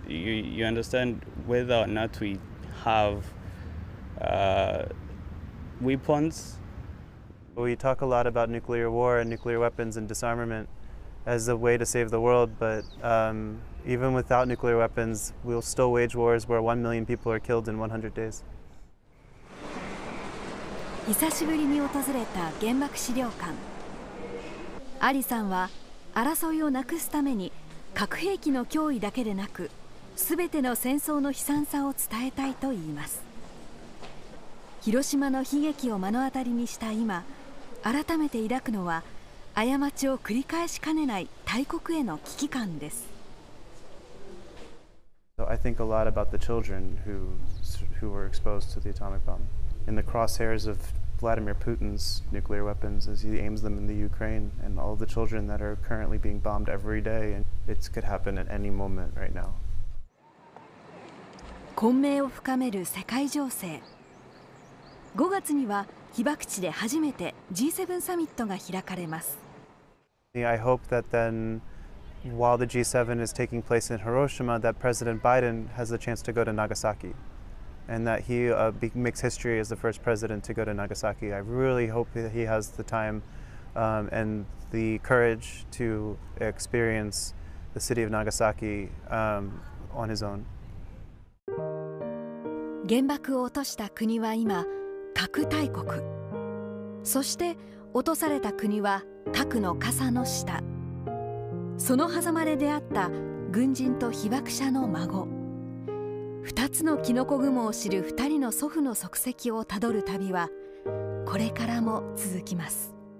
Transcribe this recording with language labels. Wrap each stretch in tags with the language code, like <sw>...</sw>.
<en>You understand whether or not we have weapons. We talk a lot about nuclear war and nuclear weapons and disarmament as a way to save the world, but even without nuclear weapons, we'll still wage wars where 1 million people are killed in 100 days.</en> <ja>久しぶりに訪れた原爆資料館。アリさんは争いをなくすために核兵器の脅威だけでなく、全ての戦争の悲惨さを伝えたいと言います。広島の悲劇を目の当たりにした今、改めて抱くのは、過ちを繰り返しかねない大国への危機感です。</ja> <en>So I think a lot about the children who were exposed to the atomic bomb in the crosshairs of Vladimir Putin's nuclear weapons as he aims them in the Ukraine and all the children that are currently being bombed every day. And it could happen at any moment right now.</en> <ja>混迷を深める世界情勢。 5月には被爆地で初めて G7 サミットが開かれます。</ja> <en>I hope that then, while the G7 is taking place in Hiroshima, that President Biden has the chance to go to Nagasaki, and that he makes history as the first president to go to Nagasaki. I really hope that he has the time and the courage to experience the city of Nagasaki on his own.</en> <ja>原爆を落とした国は今核大国。そして落とされた国は核の傘の下。その狭間で出会った軍人と被爆者の孫。二つのキノコ雲を知る二人の祖父の足跡をたどる旅はこれからも続きます。</ja>